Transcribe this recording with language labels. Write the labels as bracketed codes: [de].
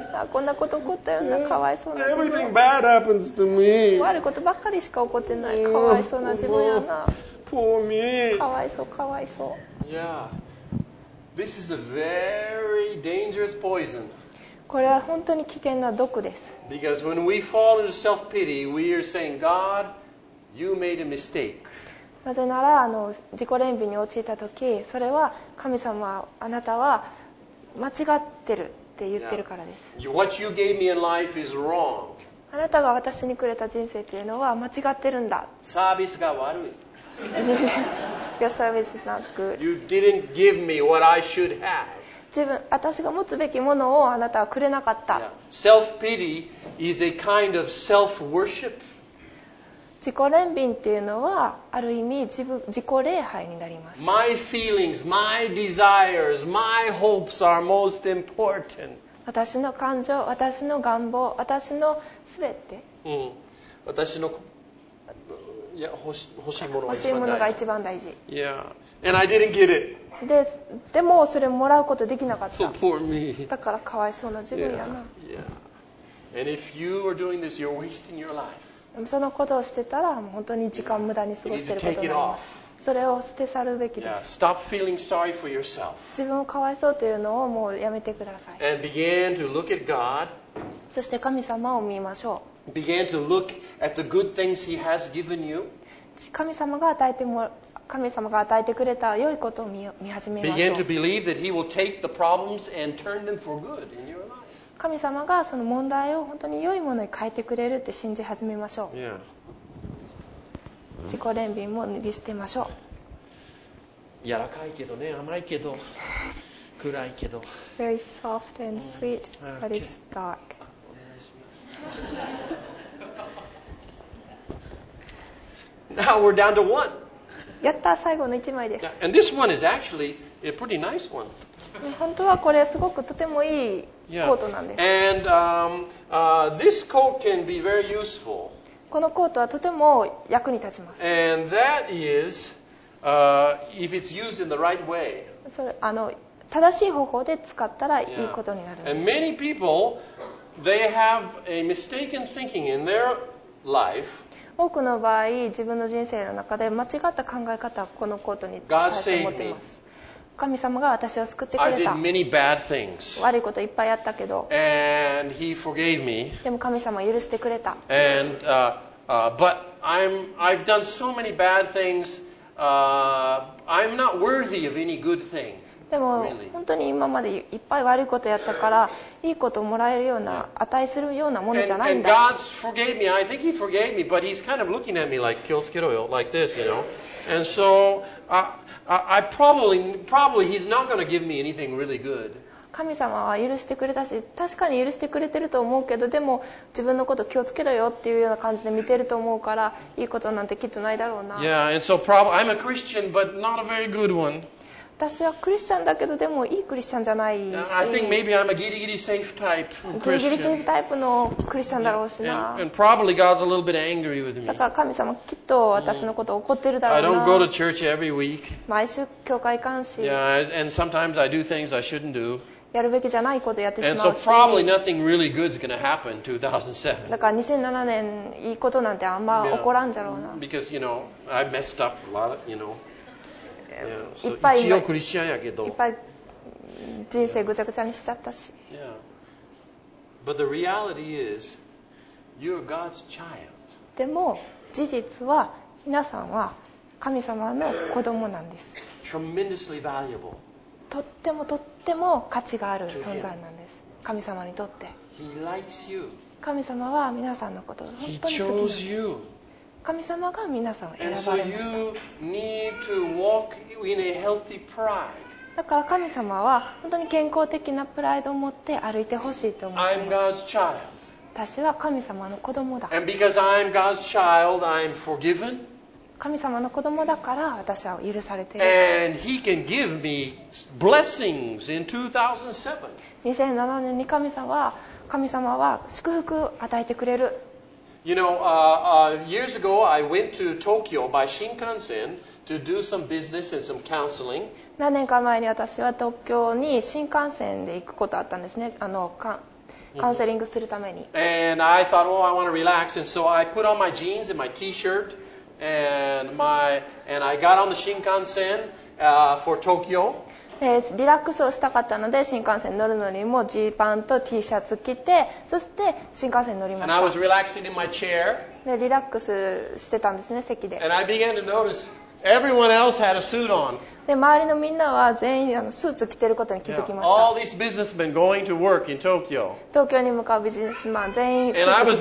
[ja] あ、こんなこと起こったよな、かわいそうな自分。 [en] Everything bad happens to me. [ja] 悪いことばっかりしか起こってない、かわいそうな自分やな。 [en] Poor me. [ja] かわいそう、かわいそう。 [en] Yeah. This is a very dangerous poison. [ja] これは本当に危険な毒です。 [en] Because when we fall into self-pity, we are saying, God, you made a mistake. [ja] なぜなら自己憐憫に陥ったとき、それは神様、あなたは間違ってるって言ってるからです。 [en] Yeah. What you gave me in life is wrong. [ja] あなたが私にくれた人生っていうのは間違ってるんだ。サービスが悪い。 [en] Your service is not good. You didn't give me what I should have. [ja] 自分、私が持つべきものをあなたはくれなかった。 [en] Yeah. Self-pity is a kind of self-worship. [ja] 自己憐憫っていうのはある意味自己礼拝になります。 [en] My feelings, my desires, my hopes are most important. [ja] 私の感情、私の願望、私のすべて、うん、私の欲しいものが一番大事。 [en] Yeah. And I didn't get it. [ja] でもそれもらうことできなかった。 [en] So poor me. [ja] だからかわいそうな自分やな。 [en] Yeah. Yeah. And if you are doing this, you're wasting your life. [ja] そのことをしてたら本当に時間を無駄に過ごしていることになります。それを捨て去るべきです。 [en] Yeah. Stop feeling sorry for yourself. [ja] 自分をかわいそうというのをもうやめてください。 [en] And begin to look at God. [ja] そして神様を見ましょう。 [en] Begin to look at the good things He has given you. [ja] 神様が与えてくれた良いことを見始めましょう。 [en] Begin to believe that He will take the problems and turn them for good in your life. [ja] 神様がその問題を本当に良いものに変えてくれるって信じ始めましょう。 [en] Yeah. [ja] 自己憐憫も脱ぎ捨てましょう。柔らかいけどね、甘いけど、暗いけど。 [en] Very soft and sweet, but it's dark. Now we're down to one. [ja] やった、最後の1枚です。 [en] And this one is actually a pretty nice one. [ja] 本当はこれすごくとてもいいコートなんです。 [en] And this coat can be very useful. [ja] このコートはとても役に立ちます。 [en] And that is, if it's used in the right way. [ja] それ、あの、正しい方法で使ったらいいことになるんです。 [en] And many people, they have a mistaken thinking in their life. [ja] 多くの場合、自分の人生の中で間違った考え方をこのコートに対して持っています。神様が私を救ってくれた。 [en] I did many bad things. [ja] 悪いこといっぱいあったけど。 [en] And he forgave me. [ja] でも神様は許してくれた。 [en] And, but I've done so many bad things, I'm not worthy of any good thing. [ja] でも本当に今までいっぱい悪いことやったからいいこともらえるような値するようなものじゃないんだ。 [en] God forgave me. I think He forgave me, but He's kind of looking at me like [ja] 気をつけろよ [en] like this, you know. And so I probably He's not going to give me anything really good. [ja] 神様は許してくれたし、確かに許してくれてると思うけど、でも自分のこと気をつけろよっていうような感じで見てると思うから、いいことなんてきっとないだろうな。 [en] Yeah, and so probably I'm a Christian, but not a very good one. [ja] 私はクリスチャンだけど、でもいいクリスチャンじゃないし、 [en] I think maybe I'm a [ja] ギリギリセーフタイプのクリスチャン。ギリギリセーフタイプのクリスチャンだろうしな。 [en] And probably God's a little bit angry with me. [ja] だから神様きっと私のこと怒ってるだろうな。 [en] I don't go to church every week. [ja] 毎週教会行かんし。 [en] Yeah, and sometimes I do things I shouldn't do. [ja] やるべきじゃないことやってしまうし。 [en] And so probably nothing really good is going to happen 2007. [ja] だから2007年いいことなんてあんま起こらんじゃろうな。 [en] Because you know I messed up a lot, you know. [ja] いっぱい一応クリスチャンやけど、いっぱい人生ぐちゃぐちゃにしちゃったし。 [en] But the reality is, you're God's child. [ja] でも事実は皆さんは神様の子供なんです。 [en] Tremendously valuable. [ja] とってもとっても価値がある存在なんです。神様にとって。 [en] He likes you. [ja] 神様は皆さんのことを本当に好きなんです。 [en] He chose you. [ja] 神様が皆さんを選ばれました。だから神様は本当に健康的なプライドを持って歩いてほしいと思います。 [en] I'm God's child. [ja] 私は神様の子供だ。 [en] And because I'm God's child, I'm forgiven. [ja] 神様の子供だから私は許されている [en] 。 And he can give me blessings in 2007. [ja] 2007年に神様は祝福を与えてくれる。 [en] You know, years ago I went to Tokyo by Shinkansen to do some business and some counseling. [ja] 何年か前に私は東京に新幹線で行くことあったんですね。カウンセリングするために。 [en] And I thought, oh, I want to relax. And so I put on my jeans and my T-shirt and I got on the Shinkansen for Tokyo. [ja] リラックスをしたかったので、新幹線に乗るのにもジーパンと T シャツ着て、そして新幹線に乗りました。 [en] And I was relaxing in my chair. [ja] でリラックスしてたんですね、席で。 [en] And I began to notice everyone else had a suit on. [ja] で周りのみんなは全員あのスーツ着てることに気づきました。 [en] All these businessmen going to work in Tokyo. [ja] 東京に向かうビジネスマン全員スーツ着てたん